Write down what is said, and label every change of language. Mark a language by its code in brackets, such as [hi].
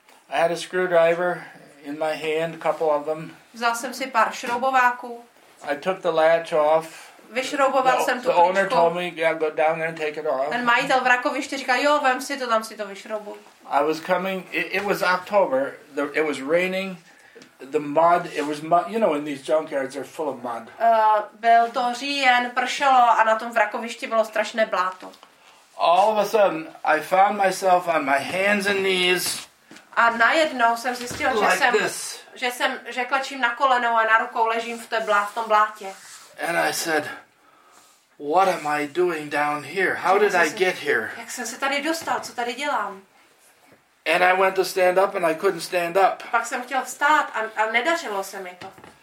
[en] I had a screwdriver in my hand, a couple of them. [cs] Vzal jsem si pár šroubováků. [en] I took the latch off. [cs] Vyšrouboval jsem tu [en] kličku. The owner told me, yeah, go down there and take it off. [cs] Ten majitel vrakoviště říkal, jo, vem si to, tam si to vyšroubuj. [en] I was coming, it was October, it was raining, the mud, it was mud, you know, in these junkyards, they're full of mud. [cs] Byl to říjen, pršelo a na tom vrakovišti bylo strašné bláto. [en] All of a sudden, I found myself on my hands and knees. [cs] A najednou jsem zjistil, [en] like [cs] že klečím na kolenou a na rukou ležím v tom blátě. [en] And I said, what am I doing down here? How did I get here? [cs] Jak jsem se tady dostal? Co tady dělám? [en] And I went to stand up and I couldn't stand up. [cs] Pak jsem chtěl vstát a nedařilo se mi to.